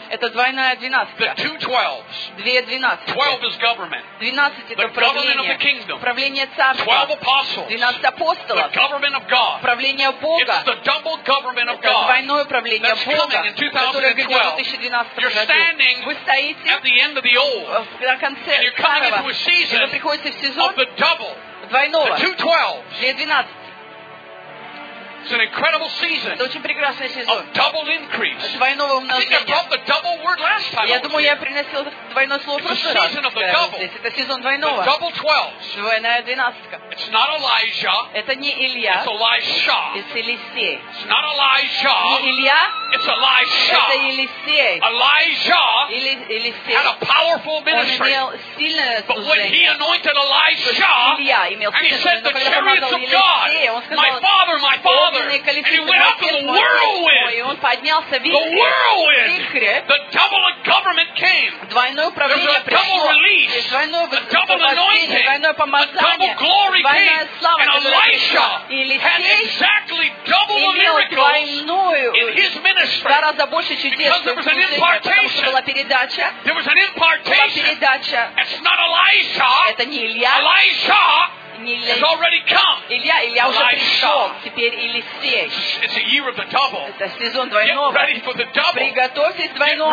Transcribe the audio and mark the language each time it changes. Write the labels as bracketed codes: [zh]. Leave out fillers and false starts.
[ru] Это двойная двенадцатка. [en] The two 12s. [ru] Две двенадцатки. [en] 12 is government. [ru] Двенадцать это правление. [en] The government of the kingdom. [ru] Правление царства. [en] 12 apostles. [ru] Двенадцать апостолов. [en] The government of God. [ru] Правление Бога. [en] It's the double government of God. [ru] Это двойное правление Бога. [en] That's coming in 2012. You're standing at the end of the old. [ru] На конце старого. [en] And you're coming into a season. [ru] Вы приходите в сезон. [en] Of the double. [ru] Двойного. [en] The two 12s. [ru] Две двенадцать. [en] It's an incredible season. [ru] Это очень прекрасный сезон. [en] A double increase. [ru] Двойного умножения. [en] I think I brought the double word last time. [ru] Я думаю, я приносил двойное слово. [en] It's the season of the double. [ru] Это сезон двойного. [en] The double 12. [ru] Двойная двенадцатка. [en] It's not Elijah. [ru] Это не Илья. [en] It's Elisha. [ru] Это Елисей. [en] It's not Elijah. [ru] Не Илья. [en] It's Elisha. [ru] Это Елисей. [en] Elijah. [ru] Елисей. [en] Had a powerful ministry. [ru] Имел сильное служение. [en] But when he anointed Elisha, [ru] Илья имел сильное служение. [en] And he said, "The chariots of God, my father, my father." And he went up in the whirlwind. The whirlwind. The double of government came. [ru] Двойное управление пришло. [en] Double release. [ru] Двойное освобождение. Двойное помазание. [en] Double glory came. [ru] Двойная слава. [en] And Elisha had exactly double the miracles in his ministry. [ru] Два раза больше чудес. [en] Because there was an impartation. [ru] Потому что была передача. [en] There was an impartation. [ru] Была передача. [en] It's not Elisha. Это не Илья. Elisha. Has already come. [ru] Илья уже пришел. Теперь Елисей. [en] It's a year of the double. [ru] Это сезон двойного. [en] Get ready for the double. [ru] Приготовьтесь двойному.